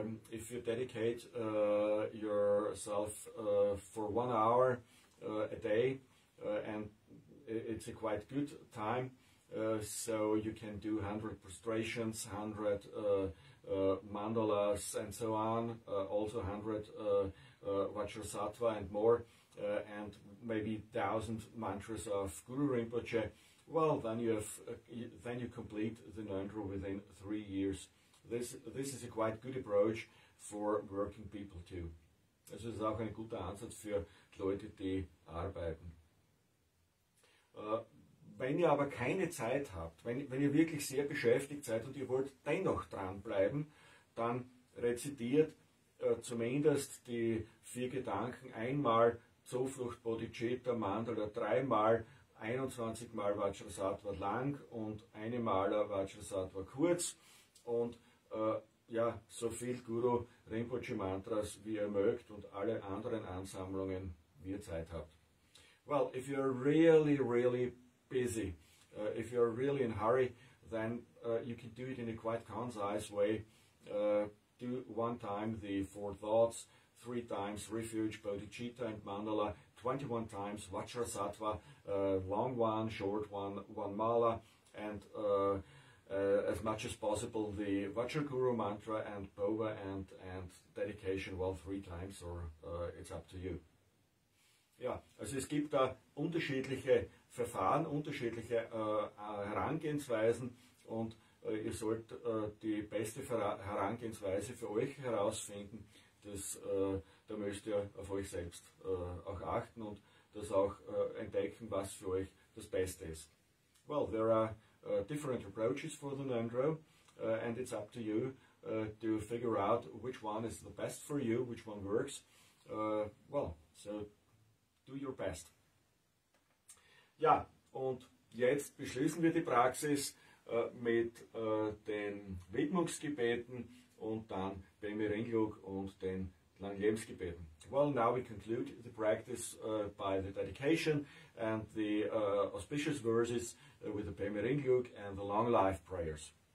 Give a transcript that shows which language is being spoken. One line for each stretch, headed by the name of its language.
English: If you dedicate yourself for 1 hour a day, and it's a quite good time, so you can do 100 prostrations, 100 mandalas and so on, also 100 vajrasattva and more, and maybe 1000 mantras of Guru Rinpoche, well, then you have then you complete the Ngondro within 3 years. This is a quite good approach for working people too.
German: Es ist auch ein guter Ansatz für Leute, die arbeiten. Wenn ihr aber keine Zeit habt, wenn ihr wirklich sehr beschäftigt seid und ihr wollt dennoch dranbleiben, dann rezitiert zumindest die 4 Gedanken einmal Zuflucht Bodhicitta Mandala dreimal, 21 Mal Vajrasattva lang und eine Mal Vajrasattva kurz und ja, so viel Guru Rinpoche Mantras wie ihr mögt und alle anderen Ansammlungen, wie ihr Zeit habt.
English: Well, if you're really, really busy, if you're really in a hurry, then you can do it in a quite concise way. Do one time the 4 thoughts, 3 times refuge, bodhicitta and mandala, 21 times vajrasattva, long one, short one, 1 mala, and as much as possible the Vajraguru mantra and bhava and dedication, well, 3 times, or it's up to you.
German: Ja, also es gibt da unterschiedliche Verfahren, unterschiedliche Herangehensweisen und ihr sollt die beste Herangehensweise für euch herausfinden. Da müsst ihr auf euch selbst auch achten und das auch entdecken, was für euch the space disk.
English: Well, there are different approaches for the Ngondro, and it's up to you to figure out which one is the best for you, which one works. Well, so do your best.
German: Ja, und jetzt beschließen wir die Praxis mit den Widmungsgebeten und dann Bemeringluk und den Langlebensgebeten.
English: Well, now we conclude the practice by the dedication and the auspicious verses with the Bemeringluk and the long life prayers.